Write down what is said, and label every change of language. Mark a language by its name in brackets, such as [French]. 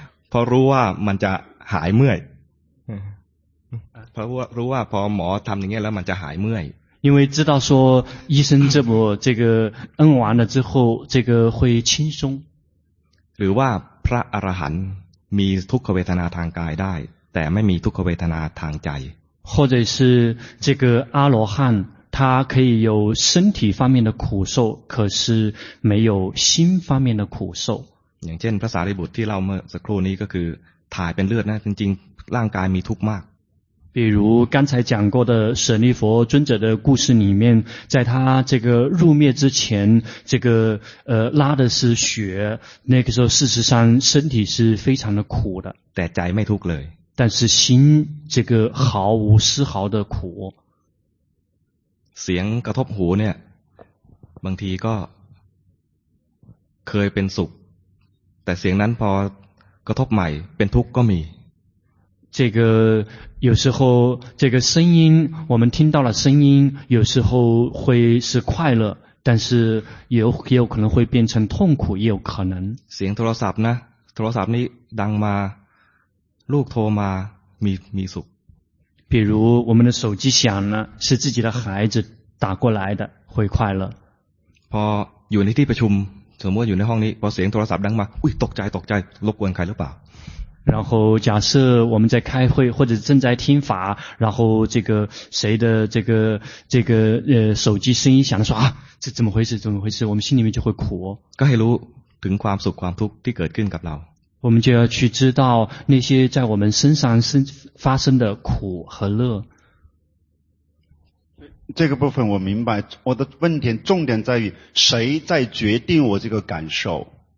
[Thai] พอรู้ว่ามันจะหายเมื่อยเพราะว่ารู้ว่าพอหมอทำอย่างนี้แล้วมันจะหายเมื่อย [Chinese] 因为知道说医生这么这个摁完了之后这个会轻松 [Thai] หรือว่าพระอรหันต์มีทุกขเวทนาทางกายได้แต่ไม่มีทุกขเวทนาทางใจ [Chinese] 或者是这个阿罗汉他可以有身体方面的苦受可是没有心方面的苦受 [Thai] อย่างเช่นพระสารีบุตรที่เล่าเมื่อสักครู่นี้ก็คือถ่ายเป็นเลือดนะจริงๆร่างกายมีทุกข์มาก [Chinese] 比如刚才讲过的舍利弗尊者的故事里面在他这个入灭之前这个拉的是血那个时候事实上身体是非常的苦的 [Thai] แต่ใจไม่ทุกข์เลย [Chinese] 但是心这个毫无丝毫的苦 [Thai] เสียงกระทบหูเนี่ยบางทีก็เคยเป็นสุขแต่เสียงนั้นพอกระทบใหม่เป็นทุกข์ก็มี [Chinese] 这个有时候这个声音我们听到了声音有时候会是快乐但是也有可能会变成痛苦也有可能 [Thai] เสียงโทรศัพท์นะโทรศัพท์นี้ดังมาลูกโทรมามีสุข [Chinese] 比如我们的手机响了是自己的孩子打过来的会快乐 [Thai] พออยู่ในที่ประชุมสมมติอยู่ในห้องนี้พอเสียงโทรศัพท์ดังมาอุ้ยตกใจรบกวนใครหรือเปล่า [Chinese] 然后假设我们在开会或者正在听法然后这个谁的这个手机声音响的说啊这怎么回事我们心里面就会苦 [Thai] ก็ให้รู้ถึงความสุขความทุกข์ที่เกิดขึ้นกับเรา [Chinese] 我们就要去知道那些在我们身上发生的苦和乐这个部分我明白我的问题重点在于谁在决定我这个感受